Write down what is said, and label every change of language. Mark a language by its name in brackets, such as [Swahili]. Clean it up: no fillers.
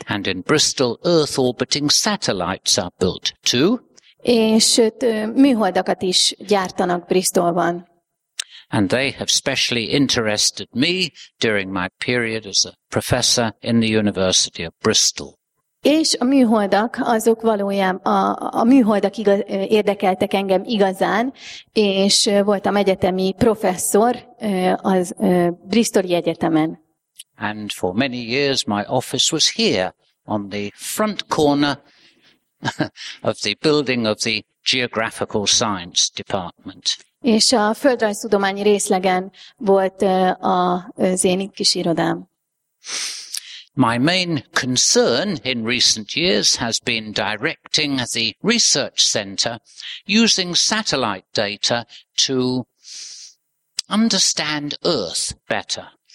[English] And in Bristol, Earth orbiting satellites are built too. [Hungarian] És műholdakat is gyártanak Bristolban. [English] And they have specially interested me during my period as a professor in the University of Bristol. [Hungarian] És a műholdak azok valójában a műholdak érdekeltek engem igazán, és voltam egyetemi professzor az Bristoli Egyetemen. [English] And for many years my office was here on the front corner of the building of the Geographical Science Department. [Hungarian] És a földrajztudományi részlegen volt az én kis irodám. [English] My main concern in recent years has been directing the research center using satellite data to understand Earth better.